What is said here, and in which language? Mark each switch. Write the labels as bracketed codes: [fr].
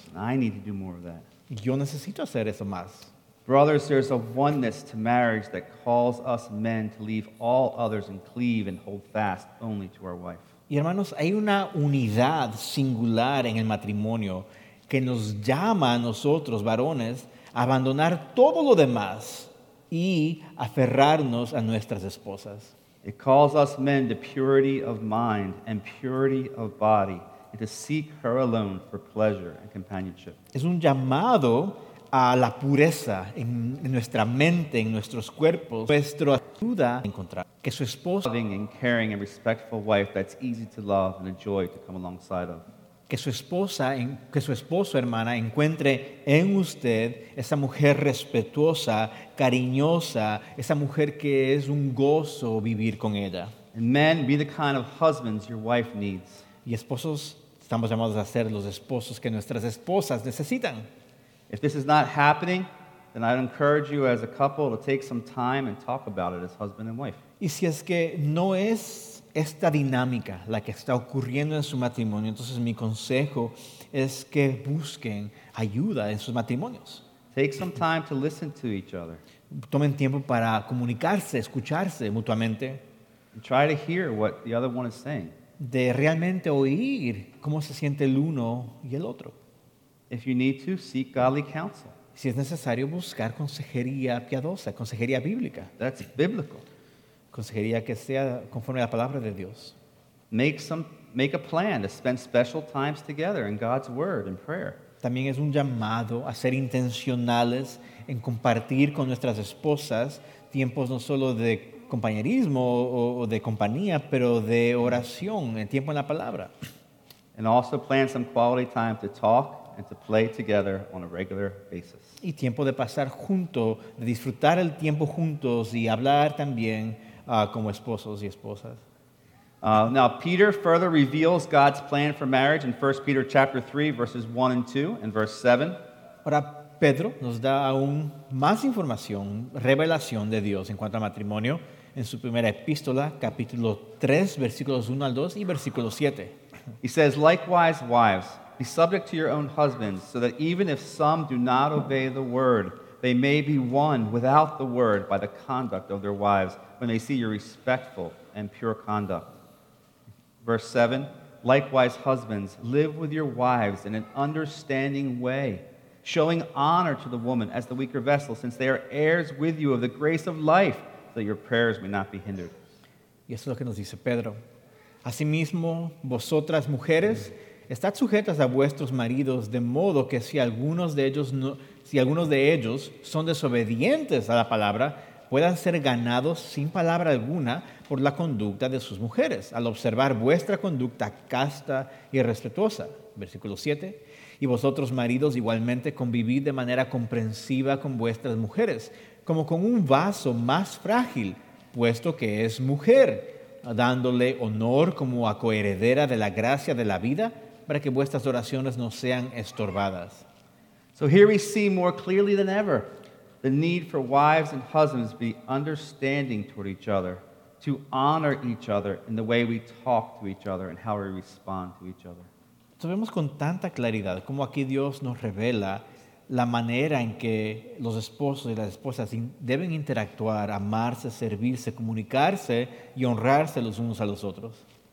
[en] I need to do more of that. [es] Yo necesito hacer eso más. [en] Brothers, there's a oneness to marriage that calls us men to leave all others and cleave and hold fast only to our wife. [es] Y hermanos, hay una unidad singular en el matrimonio que nos llama a nosotros, varones, a abandonar todo lo demás y aferrarnos a nuestras esposas. [en] It calls us men to purity of mind and purity of body and to seek her alone for pleasure and companionship. [es] Es un llamado a la pureza en nuestra mente, en nuestros cuerpos, nuestra ayuda a encontrar que su esposa [en] loving and caring and respectful wife that's easy to love and a joy to come alongside of. [es] Que su esposo, hermana, encuentre en usted esa mujer respetuosa, cariñosa, esa mujer que es un gozo vivir con ella. [en] And men, be the kind of husbands your wife needs. [es] Y esposos, estamos llamados a ser los esposos que nuestras esposas necesitan. [en] If this is not happening, then I'd encourage you as a couple to take some time and talk about it as husband and wife. [es] Y si es que no es esta dinámica la que está ocurriendo en su matrimonio, entonces mi consejo es que busquen ayuda en sus matrimonios. [en] Take some time to listen to each other. [es] Tomen tiempo para comunicarse, escucharse mutuamente. [en] And try to hear what the other one is saying. [es] De realmente oír cómo se siente el uno y el otro. [en] If you need to, seek godly counsel. [es] Si es necesario, buscar consejería piadosa, consejería bíblica. [en] That's biblical. [es] Consejería que sea conforme a la palabra de Dios. [en] Make a plan to spend special times together in God's word and prayer. [es] También es un llamado a ser intencionales en compartir con nuestras esposas tiempos no solo de compañerismo o de compañía, pero de oración, el tiempo en la palabra. [en] And also plan some quality time to talk and to play together on a regular basis. [es] Y tiempo de pasar junto, de disfrutar el tiempo juntos y hablar también como esposos y esposas. [en] Now, Peter further reveals God's plan for marriage in 1 Peter chapter 3, verses 1 and 2, and verse 7. [es] Ahora, Pedro nos da aún más información, revelación de Dios en cuanto al matrimonio, en su primera epístola, capítulo 3, versículos 1 al 2 y versículo 7. [en] He says, likewise, wives, be subject to your own husbands, so that even if some do not obey the word, They may be won without the word by the conduct of their wives when they see your respectful and pure conduct. Verse 7, likewise, husbands, live with your wives in an understanding way, showing honor to the woman as the weaker vessel, since they are heirs with you of the grace of life, so that your prayers may not be hindered. [es] Y eso es lo que nos dice Pedro. Asimismo, vosotras, mujeres, estad sujetas a vuestros maridos, de modo que si algunos de ellos son desobedientes a la palabra, puedan ser ganados sin palabra alguna por la conducta de sus mujeres, al observar vuestra conducta casta y respetuosa. Versículo 7. Y vosotros, maridos, igualmente convivid de manera comprensiva con vuestras mujeres, como con un vaso más frágil, puesto que es mujer, dándole honor como a coheredera de la gracia de la vida, para que vuestras oraciones no sean estorbadas. [en] So here we see more clearly than ever the need for wives and husbands to be understanding toward each other, to honor each other in the way we talk to each other and how we respond to each other. [es] So vemos con tanta claridad cómo aquí Dios nos revela la manera en que los esposos y las esposas deben interactuar, amarse, servirse, comunicarse y honrarse los unos a los otros.